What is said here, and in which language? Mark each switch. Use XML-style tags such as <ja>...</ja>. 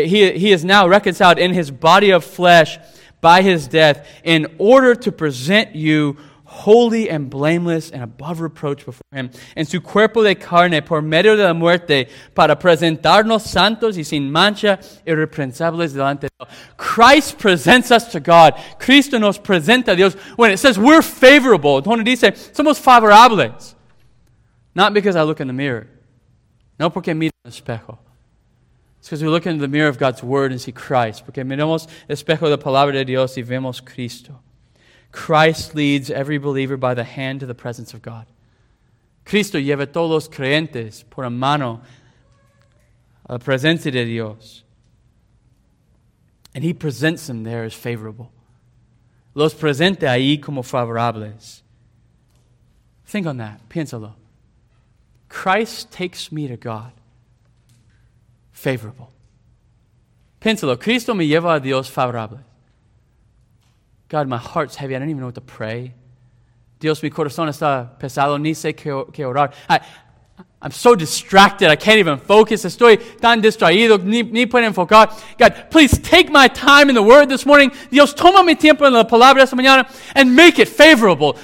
<en>He is now reconciled in his body of flesh by his death in order to present you holy and blameless and above reproach before him.</en> <es>En su cuerpo de carne por medio de la muerte para presentarnos santos y sin mancha irreprensibles delante de él.</es> <en>Christ presents us to God.</en> <es>Cristo nos presenta a Dios.</es> <en>When it says we're favorable,</en> <es>donde dice somos favorables.</es> <en>Not because I look in the mirror.</en> <es>No porque miro en el espejo.</es> <en>It's because we look into the mirror of God's word and see Christ.</en> <es>Porque miramos el espejo de la palabra de Dios y vemos Cristo.</es> <en>Christ leads every believer by the hand to the presence of God.</en> <es>Cristo lleva todos los creyentes por la mano a la presencia de Dios.</es> <en>And he presents them there as favorable.</en> <es>Los presenta ahí como favorables.</es> <en>Think on that.</en> <es>Piénsalo.</es> <en>Christ takes me to God. Favorable. Piénsalo.</en> <es>Cristo me lleva a Dios favorable.</es> <en>God, my heart's heavy. I don't even know what to pray.</en> <es>Dios, mi corazón está pesado. Ni sé qué orar.</es> <en>I'm so distracted. I can't even focus.</en> <es>Estoy tan distraído. Ni puedo enfocar.</es> <en>God, please take my time in the Word this morning.</en> <es>Dios, toma mi tiempo en la palabra esta mañana</es> <en>and make it favorable.</en>